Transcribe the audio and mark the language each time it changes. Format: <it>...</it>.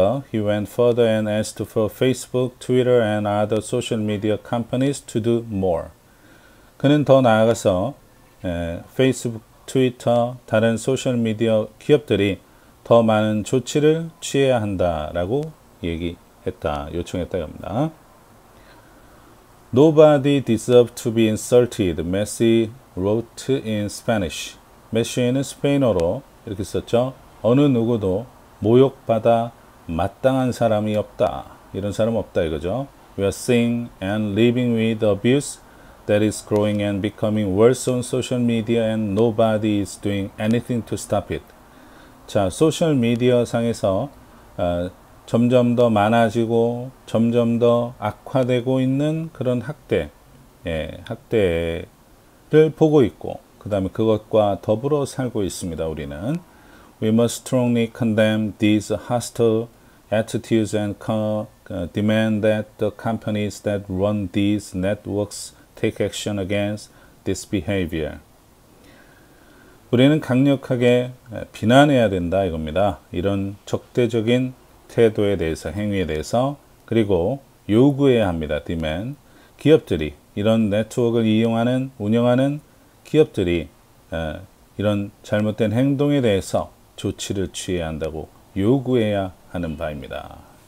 <en>He went further and asked for Facebook, Twitter, and other social media companies to do more.</en> <ko>그는 더 나아가서 페이스북, 트위터, 다른 소셜 미디어 기업들이 더 많은 조치를 취해야 한다라고 얘기했다, 요청했다 합니다.</ko> <en>Nobody deserves to be insulted, Messi wrote in Spanish.</en> <ko>메시는 스페인어로 이렇게 썼죠. 어느 누구도 모욕받아 마땅한 사람이 없다. 이런 사람 없다 이거죠.</ko> <en>We are seeing and living with abuse that is growing and becoming worse on social media, and nobody is doing anything to stop it.</en> <ko>자, 소셜 미디어 상에서 점점 더 많아지고 점점 더 악화되고 있는 그런 학대를 보고 있고, 그 다음에 그것과 더불어 살고 있습니다. 우리는</ko> <en>We must strongly condemn these hostile attitudes and demand that the companies that run these networks take action against this behavior.</en> <ko>우리는 강력하게 비난해야 된다 이겁니다. 이런 적대적인 태도에 대해서, 행위에 대해서, 그리고 요구해야 합니다.</ko> <en>demand.</en> <ko>기업들이, 이런 네트워크를 이용하는, 운영하는 기업들이 이런 잘못된 행동에 대해서 조치를 취해야 한다고 요구해야 하는 바입니다.</ko>